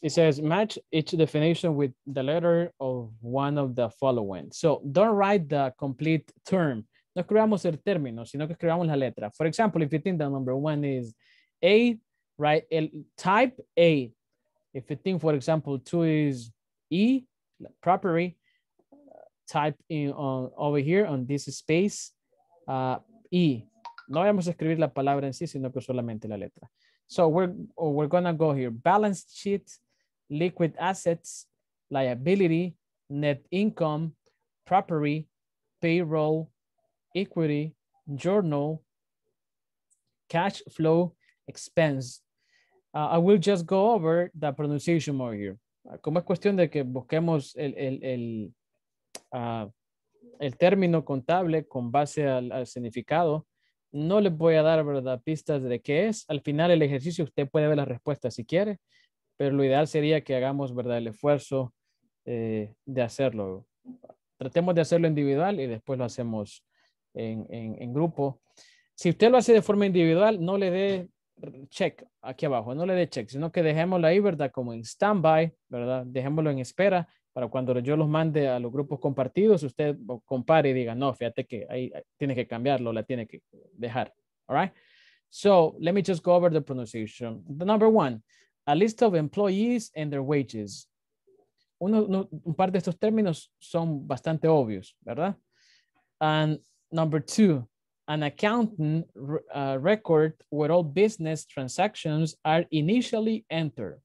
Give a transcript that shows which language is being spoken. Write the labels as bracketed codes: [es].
[en] It says match each definition with the letter of one of the following. So don't write the complete term. [es] No escribamos el término, sino que escribamos la letra. [en] For example, if you think the number one is A, write el type A. If you think, for example, two is E, property, type in over here on this space, E. [es] No vamos a escribir la palabra en sí, sino que solamente la letra. [en] So we're going to go here. Balance sheet, liquid assets, liability, net income, property, payroll, equity, journal, cash flow, expense. I will just go over the pronunciation more here. [es] Como es cuestión de que busquemos el término contable con base al significado, no les voy a dar, verdad, pistas de qué es. Al final el ejercicio usted puede ver la respuesta si quiere, pero lo ideal sería que hagamos, verdad, el esfuerzo de hacerlo. Tratemos de hacerlo individual y después lo hacemos en grupo. Si usted lo hace de forma individual, no le dé check aquí abajo, no le dé check, sino que dejémoslo ahí, verdad, como en standby, verdad, dejémoslo en espera para cuando yo los mande a los grupos compartidos, usted compare y diga, no, fíjate que ahí tiene que cambiarlo, la tiene que dejar. [en] All right. So let me just go over the pronunciation. The number one, a list of employees and their wages. [es] Un par de estos términos son bastante obvios, ¿verdad? [en] And number two, an accounting record where all business transactions are initially entered.